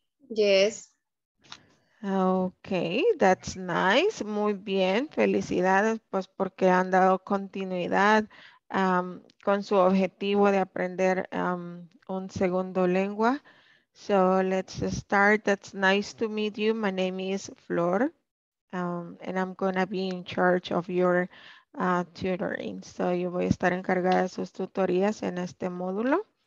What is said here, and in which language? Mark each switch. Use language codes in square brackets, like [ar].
[en] Yes. Okay, that's nice. [es] Muy bien. Felicidades, pues, porque han dado continuidad con su objetivo de aprender un segundo lengua. [en] So let's start. That's nice to meet you. My name is Flor, and I'm going to be in charge of your tutoring. [es] So yo voy a estar encargada de sus tutorías en este módulo.